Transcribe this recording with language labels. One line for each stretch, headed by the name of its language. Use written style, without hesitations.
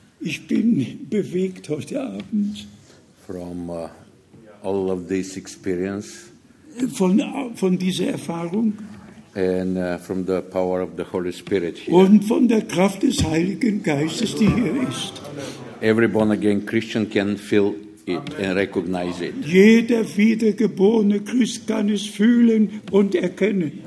German: Ich bin bewegt heute Abend.
English: From all of this experience.
German: Von dieser Erfahrung.
English: And from the power of the Holy Spirit here.
German: Und von der Kraft des Heiligen Geistes, die hier ist.
English: Every born-again Christian can feel it and recognize it.
German: Jeder wiedergeborene Christ kann es fühlen und erkennen.